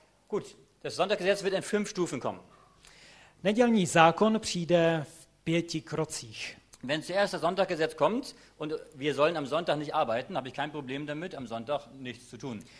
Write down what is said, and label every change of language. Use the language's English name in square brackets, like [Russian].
[German] Gut, das Sondergesetz wird in fünf Stufen kommen. [Czech] Nedělní zákon přijde v pěti krocích. [German] Wenn zuerst das Sonntaggesetz kommt und wir sollen am Sonntag nicht arbeiten, habe ich kein Problem damit, am Sonntag nichts zu tun.